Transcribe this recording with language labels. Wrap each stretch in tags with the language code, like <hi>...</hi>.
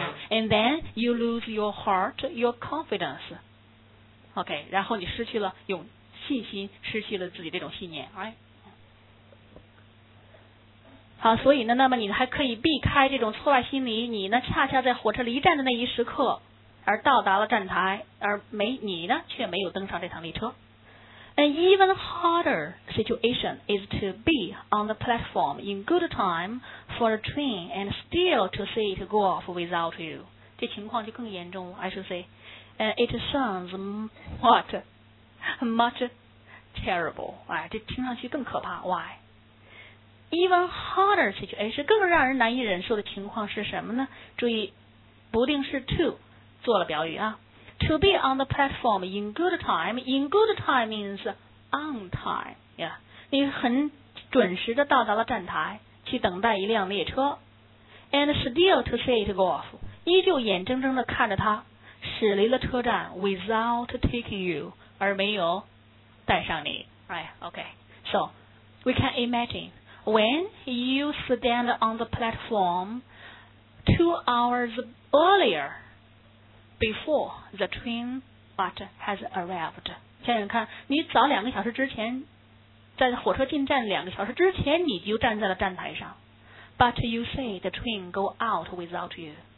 <en>And then you lose your heart， your confidence， OK，然后你失去了有信心，失去了自己这种信念。 Right？</en> <zh>好，所以呢，那么你还可以避开这种挫败心理，你呢恰恰在火车离站的那一时刻而到达了站台，而没你呢却没有登上这趟列车。</zh> <en>An even harder situation is to be on the platform in good time for a train and still to see it go off without you. 这情况就更严重了。 I should say、it sounds what much terrible、哎、这听上去更可怕。 Why?</en> <zh>Even harder situation 是更让人难以忍受的情况是什么呢？注意不定式 to 做了表语啊。</zh> <en>To be on the platform in good time， in good time means on time、yeah.</en> <zh>你很准时的到达了站台去等待一辆列车。</zh> <en>And still to see it go off，依旧眼睁睁的看着它驶离了车站 without taking you，而没有带上你。 Right, okay. So we can imagineWhen you stand on the platform 2 hours earlier before the train but has arrived.</en> <zh>想想看，你早两个小时之前，在火车进站两个小时之前，你就站在了站台上。</zh> <en>But you say the train go out without you.</en>